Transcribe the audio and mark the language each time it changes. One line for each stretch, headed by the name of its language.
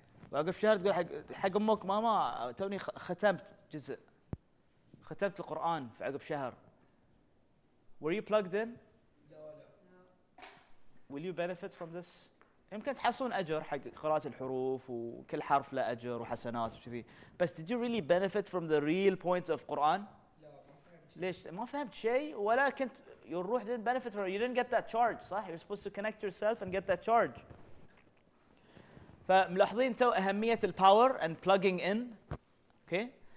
Arabic: واقف شهر تقول حق أمك, ماما توني ختمت جزء. ختمت القرآن في عقب شهر.
English: Were you plugged in? No. Will you benefit from this?
Arabic: يمكن تحصلون أجر حق قراءة الحروف وكل حرف له أجر وحسنات وكذي. بس
English: did you really benefit from the real point of Quran?
Arabic: لا ما فهمت شيء. ليش ما فهمت شيء ولا كنت
English: your
Arabic: روح
English: didn't benefit from it. You didn't get that charge,
Arabic: صح?
English: You're supposed to connect yourself and get that charge.
Arabic: فملاحظين تو أهمية الباور
English: and plugging in, okay?